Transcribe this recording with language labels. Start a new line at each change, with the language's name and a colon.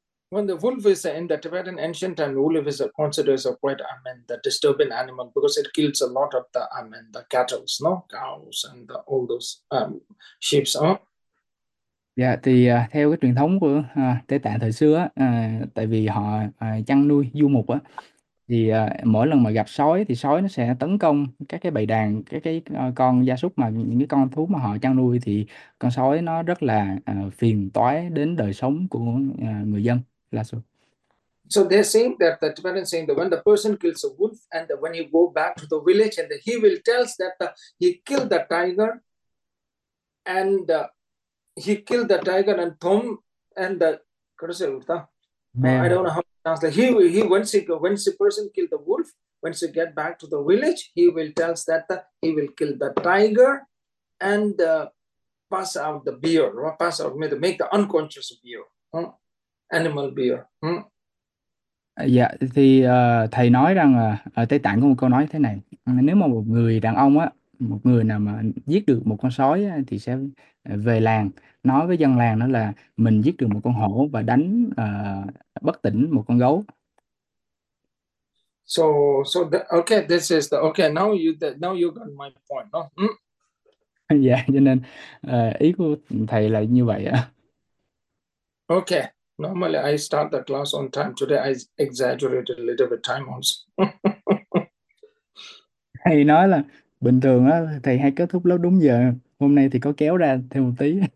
English: When the wolf is in the Tibetan ancient time, wolf is considered as a quite, the disturbing animal because it kills a lot of the, the cattle, no, cows and all those sheep,
Vietnamese: Dạ, thì theo cái truyền thống của Tây Tạng thời xưa, tại vì họ chăn nuôi du mục á, thì mỗi lần mà gặp sói thì sói nó sẽ tấn công các cái bầy đàn, các cái con gia súc, mà những cái con thú mà họ chăn nuôi, thì con sói nó rất là phiền toái đến đời sống của người dân là số.
English: So they're saying that the Tibetan saying that when the person kills a wolf and the, when you go back to the village and the, he will tells that the, he killed the tiger and he killed the tiger and Tom and the how to say it, I Mềm. don't know how to translate. He once he once the person killed the wolf, once he get back to the village, he will tells that the, he will kill the tiger and pass out the beer or pass out make the unconscious beer, animal beer.
Vietnamese: Dạ, thì thầy nói rằng Tây Tạng có một câu nói thế này: nếu mà một người đàn ông á, một người nào mà giết được một con sói á, thì sẽ về làng nói với dân làng đó là mình giết được một con hổ và đánh bất tỉnh một con gấu.
English: So the, okay, this is the okay. Now you the, now you got my point, no?
Vietnamese: Dạ, cho nên ý của thầy là như vậy ạ.
English: Okay. Normally I start the class on time. Today I exaggerated a little bit time also.
Vietnamese: Thầy nói là bình thường á, thầy hay kết thúc lớp đúng giờ, hôm nay thì có kéo ra thêm một tí.